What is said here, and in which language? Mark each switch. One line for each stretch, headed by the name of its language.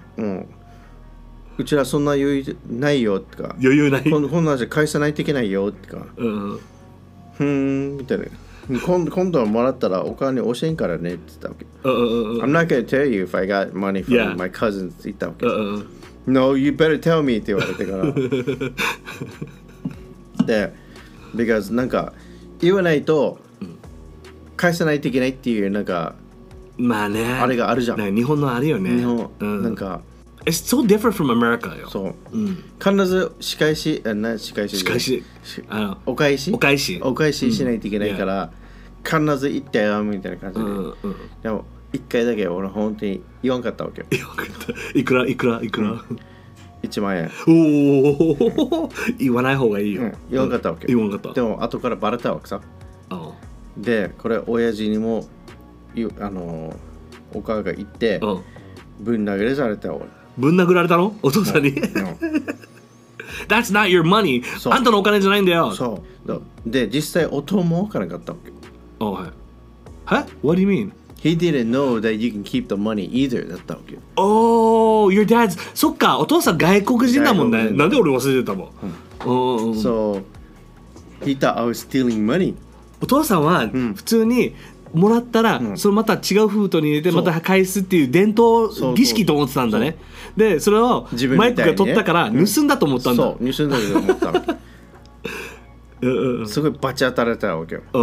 Japanese: うん、うちらそんな余裕ないよとか、余裕ない、こんなじゃ返さないといけないよとか、うん、ふーんみたいな、今度はもらったらお金教えんからねって言ったわけ。
English: I'm not gonna tell you if I got money from、 yeah. my cousins
Japanese: って言ったわけ。
English: No, you better tell me
Japanese: って言われてから。で、because なんか言わないと返さないといけないっていうなんか、まあね、あれがあるじゃん。なんか日本のあるよね。日本、うん、なんか
English: It's so different from America
Japanese: よ。そう。うん、必ず仕返し、あ、な、仕返し。仕返し。あの、お返し。お返し。お返ししないといけないから、うん、必ず行ったよみたいな感じで。うんうん、でも一回だけ俺本当に言わんかったわけよ。言わんかった。いくらいくらいくら、うん、 ?1 万円。おお、言わない方がいいよ、うん。言わんかったわけよ。言わんかった。でも後からバレたわけさ。あ、で、これ親父にも、あの、お母が言って、ぶん殴れされたよ。ぶん殴られたの？お父さんに。
English: That's not your money!
Japanese: あんたのお金じゃないんだよ。そう。で、実際音もわからんかったわけよ。おい。は？
English: What do you mean? He didn't know that you can keep the money either.
Japanese: だったわけよ。
English: Oh, your dad's...
Japanese: そっか、お父さん外国人だもんね。なんで俺忘れてたもん。
English: So, he thought I was stealing money.
Japanese: お父さんは普通にもらったら、うん、それまた違う封筒に入れてまた返すっていう伝統儀式と思ってたんだね。そうそうそう。で、それをマイクが取ったから盗んだと思ったんだ。ね、うん、そう、盗んだと思ったの。すごいバチ当たられたわけよ。